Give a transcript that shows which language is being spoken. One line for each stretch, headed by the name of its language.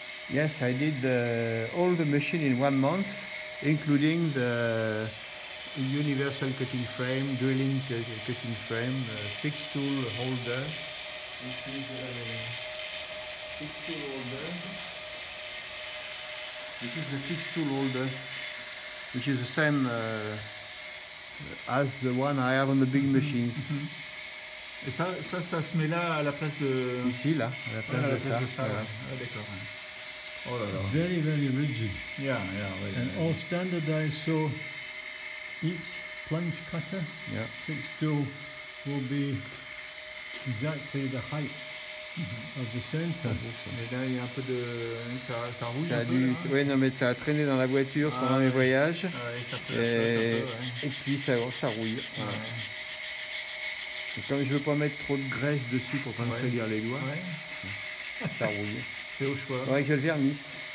English: Yes, I did all the machine in 1 month, including the universal cutting frame, drilling cutting frame, fixed tool holder. Which is a fixed tool holder. This is the fixed tool holder, which is the same as the one I have on the big machine. Mm-hmm.
French: Et ça se met là à la place de... Ici, là, à la place de ça. Ah, d'accord. Oh,
English: very, very rigid. Yeah. And all standardized, so each plunge cutter, fixed tool, will be exactly the height of the center.
French: Mais là, il y a un peu de... Ça rouille un peu, Oui, non, mais ça a traîné dans la voiture pendant mes voyages. Et puis ça rouille. Ah. Et comme je ne veux pas mettre trop de graisse dessus pour pas me salir les doigts, ça rouille. C'est au choix. Ouais, je le vernisse.